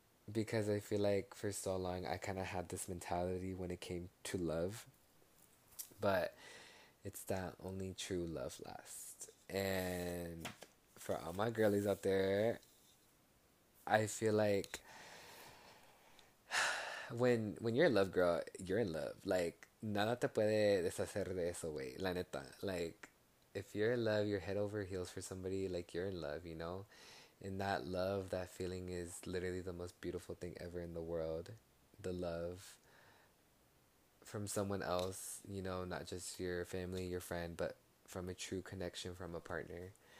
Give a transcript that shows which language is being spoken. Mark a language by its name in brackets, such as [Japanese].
[English] Because I feel like for so long I kind of had this mentality when it came to love. But it's that only true love lasts. And for all my girlies out there, I feel like when you're a love girl, you're in love. [Spanish] Like, nada te puede deshacer de eso, güey. La neta. [English] Like, if you're in love, you're head over heels for somebody, like, you're in love, you know? And that love, that feeling is literally the most beautiful thing ever in the world. The love from someone else, you know, not just your family, your friend, but from a true connection, from a partner.